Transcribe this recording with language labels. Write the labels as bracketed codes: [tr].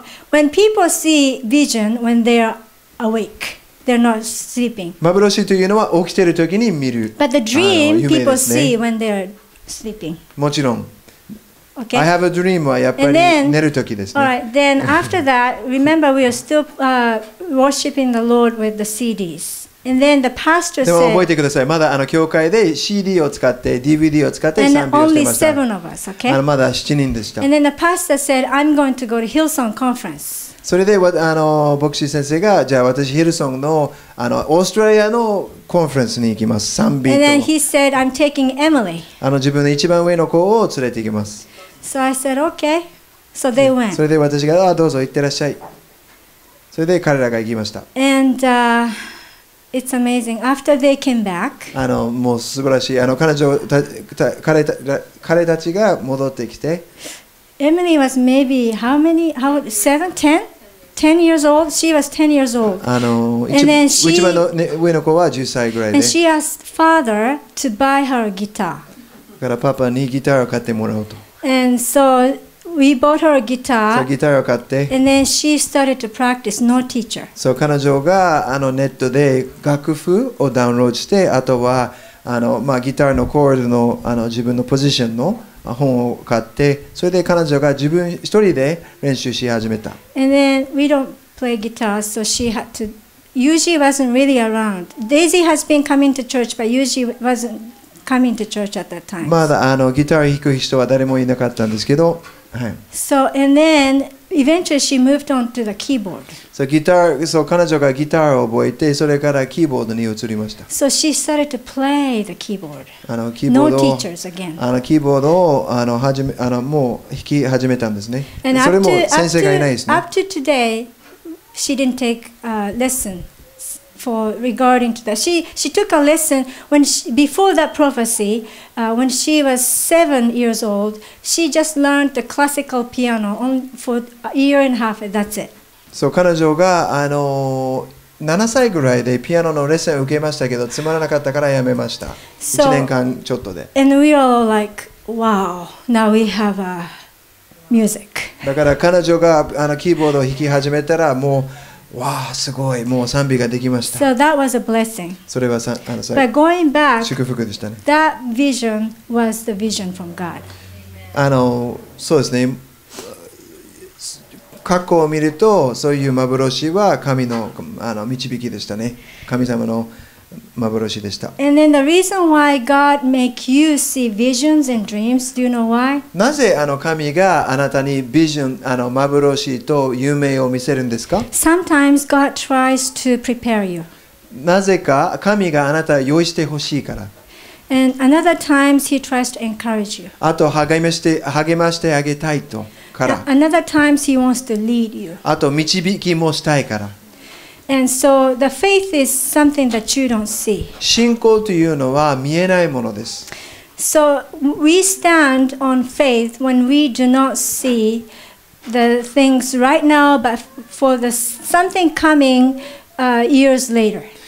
[en] when people see vision when they're awake, they're not sleeping. [ja] 幻というのは起きている時に見る。 [en] But the dream、ね、people see when they're sleeping. [ja] もちろん。 [en] Okay. I have a dream [ja] はやっぱり寝る時ですね。 [en] All right. Then after that, remember we are still worshiping the Lord with the CDs. And then the pastor said, [ja] でも覚えてください。まだ教会で CD を使って DVD を使って賛美をしてました。 [en] Us, okay? [ja] まだ7人でした。 [en] And then the pastor said, I'm going to go to Hillsong Conference. [ja] それで牧師先生がじゃあ私ヒルソンのオーストラリアのコンフェンスに行きます。賛美と。 [en] And then he said, I'm taking Emily. [ja] 自分の一番上の子を連れて行きます。 [en] So I said, okay. So they went. [ja] それで私がどうぞ行ってらっしゃい。それで彼らが行きました。 [en] And It's amazing. After they came back, [ja] もう素晴らしい。彼たちが戻ってきて、 [en] Emily was maybe how seven, ten, ten years old. She was 10 years old. And then she, [ja] 一番の上の子は10歳ぐらいで、 [en] and she asked father to buy her a guitar. [ja] だからパパにギターを買ってもらうと。 [en] And so we bought her a guitar. [ja] ギターを買って。 [en] And then she started to practice, no teacher. [ja] そう、彼女がネットで楽譜をダウンロードして、あとはまあ、ギターのコードの自分のポジションの本を買って、それで彼女が自分一人で練習し始めた。 [en] And then we don't play guitar, so she had to. Yuji wasn't really around. Daisy has been coming to church, but Yuji wasn't. Coming to church at that time. [ja] まだギターを弾く人は誰もいなかったんですけど、はい。 [en] So, and then, eventually she moved on to the keyboard. [ja] So, ギター、そう、彼女がギターを覚えて、それからキーボードに移りました。 [en] So, she started to play the keyboard. [ja] キーボードを、 [en] no teachers again. [ja] キーボードをもう弾き始めたんですね。 [en] And、 [ja] それも先生がいないですね。 [en] Up to today, she didn't take a lesson. For regarding to that, she took a lesson when she, before that prophecy, when she was 7 years old, she just learned the classical piano on for a year and a half. That's it. [ja] So, 彼女が7歳ぐらいでピアノのレッスンを受けましたけど、つまらなかったからやめました。 [en] So, [ja] 1年間ちょっとで。 [en] And we are all like, wow, now we have a music. [ja] だから彼女がキーボードを弾き始めたらもう。わあ、すごい。もう賛美ができました。 [en] So that was a blessing. [ja] それは [en] さ、But going back, [ja] 祝福でしたね。 [en] That vision was the vision from God. [ja] そうですね。過去を見ると、そういう幻は神の、導きでしたね。神様の幻でした。 [en] And then the reason why God make you see visions and dreams, do you know why? [ja] なぜ神があなたにビジョン、幻と夢を見せるんですか? [en] Sometimes God tries to prepare you. [ja] なぜか神があなたを用意してほしいから。 [en] And another times He tries to encourage you. [ja] あと励ましてあげたいとから。 [en] Another times He wants to lead you. [ja] あと導きもしたいから。 [en] And so the faith is something that you don't see. [ja] 信仰というのは見えないものです。 [en] So we stand on faith when we do not see the things right now, but for the something coming years later.